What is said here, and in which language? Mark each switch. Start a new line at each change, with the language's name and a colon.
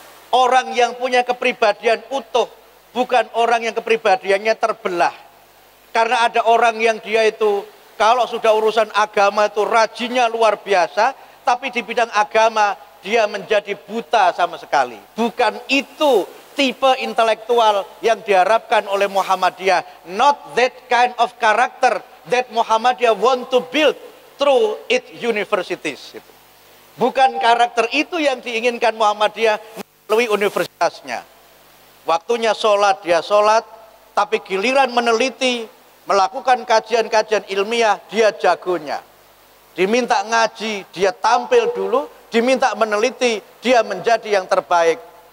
Indonesian: Orang yang punya kepribadian utuh, bukan orang yang kepribadiannya terbelah. Karena ada orang yang dia itu, kalau sudah urusan agama itu rajinnya luar biasa, tapi di bidang agama dia menjadi buta sama sekali. Bukan itu tipe intelektual yang diharapkan oleh Muhammadiyah.
English: Not that kind of character that Muhammadiyah want to build through its universities.
Indonesian: Bukan karakter itu yang diinginkan Muhammadiyah melalui universitasnya. Waktunya sholat, dia sholat, tapi giliran meneliti, melakukan kajian-kajian ilmiah, dia jagonya. Diminta ngaji, dia tampil dulu, diminta meneliti, dia menjadi yang terbaik.